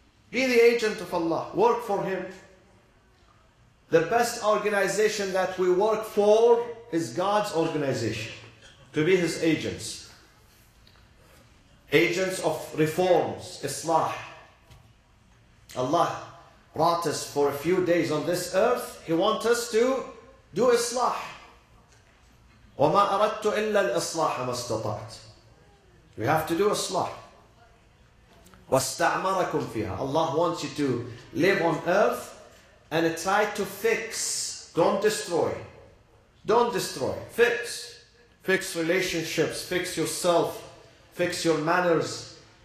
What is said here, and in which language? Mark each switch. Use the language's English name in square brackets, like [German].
[English] Be the agent of Allah. Work for Him. The best organization that we work for is God's organization, to be His agents. Agents of reforms, Islah. Allah brought us for a few days on this earth. He wants us to do Islah. [Arabic] وَمَا أَرَدْتُ إِلَّا الْإِصْلَاحَ مَا اسْتَطَعْتُ [English] We have to do Islah. [Arabic] وَاسْتَعْمَرَكُمْ فِيهَا [English] Allah wants you to live on earth and try to fix. Don't destroy. Don't destroy. Fix. Fix relationships. Fix yourself. Fix your manners.